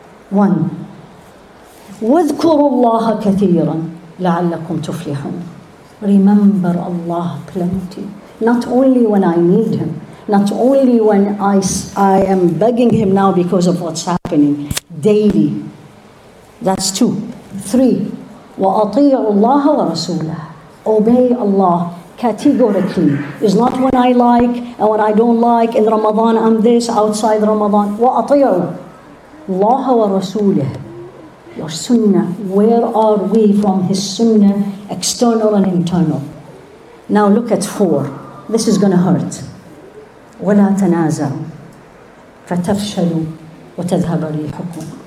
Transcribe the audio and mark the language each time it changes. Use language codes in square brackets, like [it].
[en] One. [ar] وَذْكُرُوا اللَّهَ كَثِيرًا لَعَلَّكُمْ تُفْلِحُونَ. [en] Remember Allah plenty. Not only when I need Him. Not only when I am begging Him now because of what's happening, daily. That's two. Three, [ar] وَأَطِيعُ اللَّهَ وَرَسُولَهُ. [en] Obey Allah categorically. It's not when I like and when I don't like. In Ramadan I'm this, outside Ramadan. [ar] وَأَطِيعُ اللَّهَ وَرَسُولَهُ. [en] Your sunnah, where are we from His sunnah, external and internal? Now look at four. This is going to hurt. [ar] وَلَا تَنَازَعُوا فَتَفْشَلُوا وَتَذْهَبَ رِيحُكُمْ.